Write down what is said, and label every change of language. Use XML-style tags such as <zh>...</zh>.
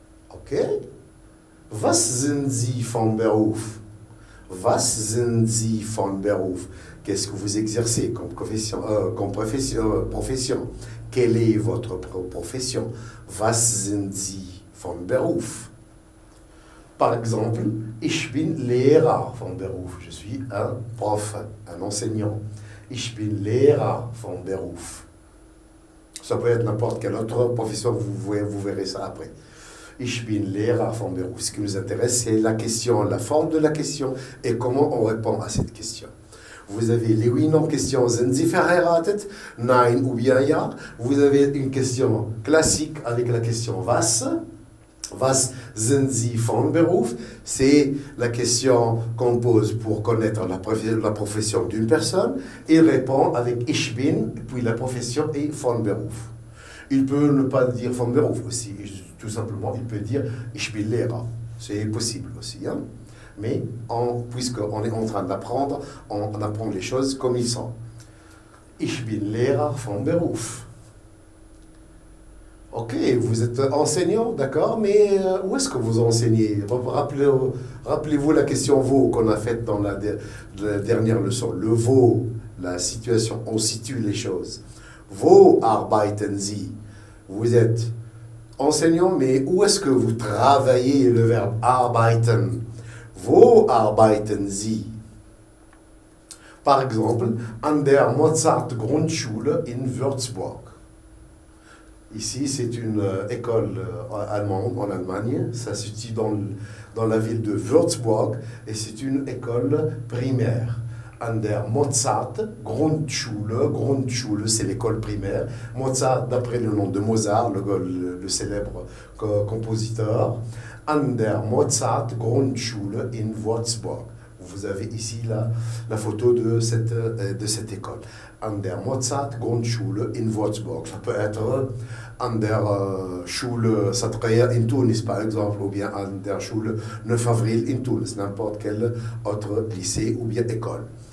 <de>Ok. Was sind Sie von Beruf? Was sind Sie von Beruf?</de> <fr>Qu'est-ce que vous exercez comme profession? Quelle est votre profession?</fr> <de>Was sind Sie von Beruf?</de> <fr>Par exemple,</fr> <de>ich bin Lehrer von Beruf.</de> <fr>Je suis un prof, un enseignant.</fr> <de>Ich bin Lehrer von Beruf.</de> <fr>Ça peut être n'importe quel autre professeur, vous verrez ça après.</fr> <de>Ich bin Lehrer von Beruf.</de> <fr>Ce qui nous intéresse, c'est la question, la forme de la question et comment on répond à cette question. Vous avez les oui non questions Zenzi Ferreira tête, nine ou bien ya. Vous avez une question classique avec la question was.</fr> <de>Was sind Sie von Beruf?</de> <fr>C'est la question qu'on pose pour connaître la profession d'une personne. Il répond avec Ich bin, puis la profession est von Beruf. Il peut ne pas dire von Beruf aussi. Tout simplement, il peut dire</fr> <de>Ich bin Lehrer.</de> <fr>C'est possible aussi. Hein? Mais puisqu'on est en train d'apprendre, on apprend les choses comme ils sont. Ich bin Lehrer von Beruf. Ok, vous êtes enseignant, d'accord, mais où est-ce que vous enseignez? Rappelez-vous la question « vous » qu'on a faite dans la dernière leçon. Le « vous », la situation, on situe les choses. « Vous</fr> <de>arbeiten Sie</de> <fr>», vous êtes enseignant, mais où est-ce que vous travaillez le verbe « arbeiten »?« Vous arbeiten Sie ». Par exemple,</fr> <de>« an der Mozart Grundschule in Würzburg ».</de> <fr>Ici, c'est une école allemande en Allemagne. Ça se situe dans la ville de Würzburg et c'est une école primaire.</fr> <de>An der Mozart Grundschule.</de> <fr>Grundschule, c'est l'école primaire. Mozart, d'après le nom de Mozart, le célèbre compositeur.</fr> <de>An der Mozart Grundschule in Würzburg.</de> <fr>Vous avez ici la photo de cette école.</fr> <de>An der Mozart Grundschule in Würzburg.</de> <fr>Ça peut être</fr> <de>an der Schule Sadrea in Tunis,</de> <fr>par exemple, ou bien</fr> <de>an der Schule 9 avril in Tunis,</de> <fr>n'importe quel autre lycée ou bien école.</fr>